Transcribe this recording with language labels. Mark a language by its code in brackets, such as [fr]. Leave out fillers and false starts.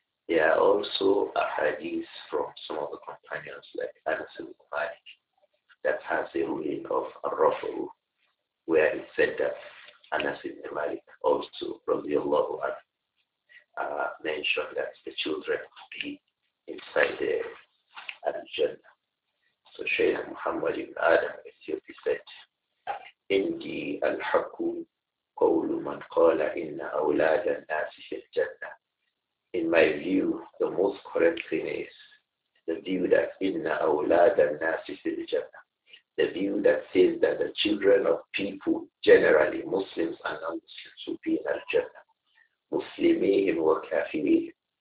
[en] There are also a hadith from some of the companions like Anas ibn Malik that has a ruling of Ar-Rafa'u, where it said that Anas ibn Malik also, radiallahu anhu, mentioned that the children would be inside the Al-Jannah. So Shaykh Muhammad ibn Adam Ethiopia said, [ar] إني الحق قول من قال إن أولاد الناس في الجنة. [en] In my view, the most correct thing is the view that [ar] إن أولاد الناس في الجنة. [en] The view that says that the children of people, generally Muslims and non-Muslims, will be in Al-Jannah. [ar] مسلمين وكافرين.